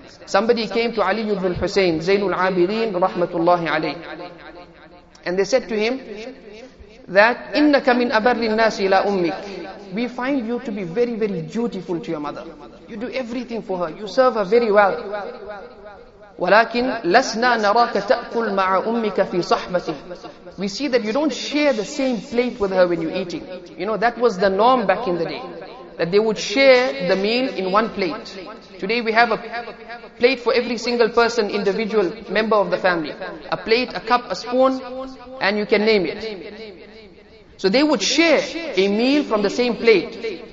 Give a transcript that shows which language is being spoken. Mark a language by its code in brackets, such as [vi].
[en] Somebody came to Ali ibn Hussein, Zainul Abidin, rahmatullahi alayhi. And they said to him, that, [ar] إِنَّكَ مِنْ أَبَرِّ النَّاسِ إِلَىٰ أُمِّكَ [en] we find you to be very, very dutiful to your mother. You do everything for her. You serve her very well. [ar] ولكن لسنا نراك تأكل مع أمك في صحبتي. [en] We see that you don't share the same plate with her when you're eating. You know, that was the norm back in the day, that they would share the meal in one plate. Today we have a plate for every single person, individual member of the family. A plate, a cup, a spoon, and you can name it. So they would share a meal from the same plate.